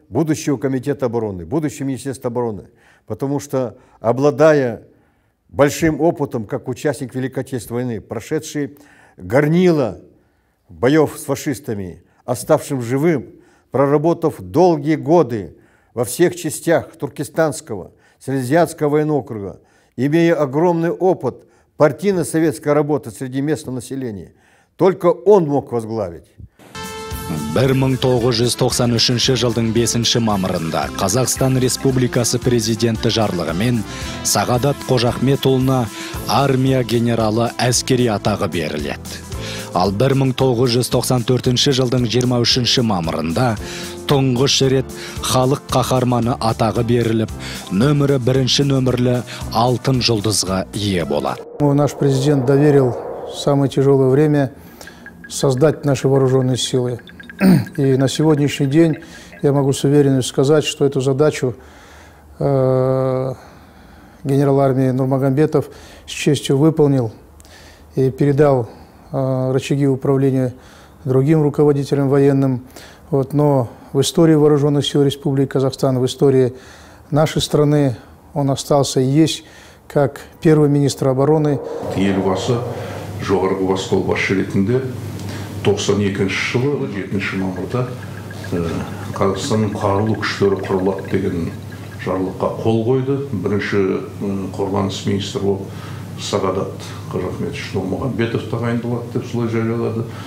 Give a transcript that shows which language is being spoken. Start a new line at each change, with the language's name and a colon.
Russian: будущего Комитета обороны, будущего Министерства обороны. Потому что, обладая большим опытом, как участник Великой Отечественной войны, прошедший горнило боев с фашистами, оставшим живым, проработав долгие годы во всех частях Туркестанского, Силезианского военного округа, имея огромный опыт партийно-советской работы среди местного населения, только он мог возглавить.
Kazakh: 1993 жылдың 5 мамырында Қазақстан Республикасы президенті жарлығымен Сағадат Қожахметұлына армия генералы әскери атағы беріледі. Ал 1994 жылдың 23 мамырында тұңғыш рет халық қаһарманы атағы беріліп, нөмірі бірінші нөмірлі алтын жұлдызға ие болады.
Russian: Наш президент доверил самое тяжелое время создать наши вооруженные силы. И на сегодняшний день я могу с уверенностью сказать, что эту задачу генерал армии Нурмагомбетов с честью выполнил и передал рычаги управления другим руководителям военным. Вот, но в истории вооруженных сил Республики Казахстан, в истории нашей страны он остался и есть как первый министр обороны.
Kazakh: Елбасы жоғарғы бас қолбасшы ретінде 92-ші жылы, 7-ші мамырда Қазақстанның қарулы күштері құрылады деген жарлыққа қол қойды. Бірінші қорғаныс министрі болып Сағадат Қожахметович Нұрмағанбетов тағайындалады деп солай жариялады.